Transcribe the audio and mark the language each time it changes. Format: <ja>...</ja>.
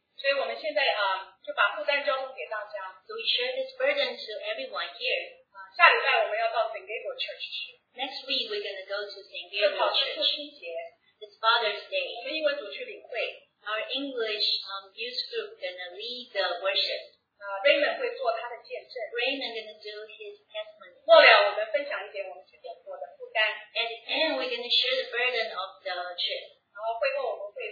<en>So we share this burden to everyone here.</en> <zh>下礼拜我们要到St. Gabriel Church。</zh> <en>Next week, we're going to go to St. Gabriel Church. It's Father's Day. Our English youth group is going to lead the worship. Raymond is going to do his testimony.</en> <zh>末了我们分享一点我们之前做的负担。</zh> <en>At the end, we're going to share the burden of the trip.</en>